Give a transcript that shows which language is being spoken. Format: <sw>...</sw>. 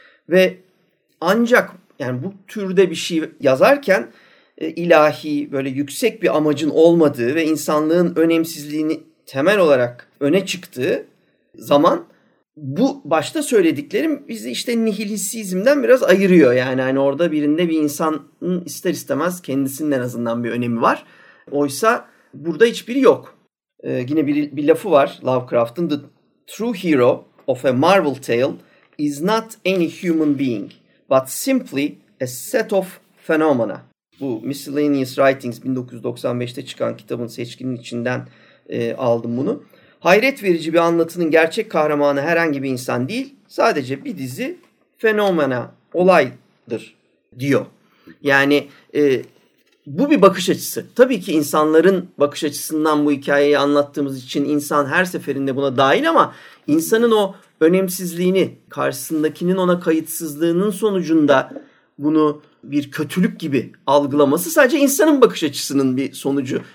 <tr>Ve ancak yani bu türde bir şey yazarken ilahi böyle yüksek bir amacın olmadığı ve insanlığın önemsizliğini temel olarak öne çıktığı zaman bu başta söylediklerim bizi işte nihilisizmden biraz ayırıyor. Yani hani orada birinde bir insanın ister istemez kendisinin en azından bir önemi var. Oysa burada hiçbiri yok. Yine bir lafı var Lovecraft'ın,</tr> <en>"The true hero of a Marvel tale is not any human being, but simply a set of phenomena.</en> <tr>Bu Miscellaneous Writings 1995'te çıkan kitabın seçkinin içinden aldım bunu. Hayret verici bir anlatının gerçek kahramanı herhangi bir insan değil, sadece bir dizi fenomena, olaydır diyor. Yani bu bir bakış açısı. Tabii ki insanların bakış açısından bu hikayeyi anlattığımız için insan her seferinde buna dahil ama insanın o önemsizliğini, karşısındakinin ona kayıtsızlığının sonucunda bunu bir kötülük gibi algılaması sadece insanın bakış açısının bir sonucu.</tr>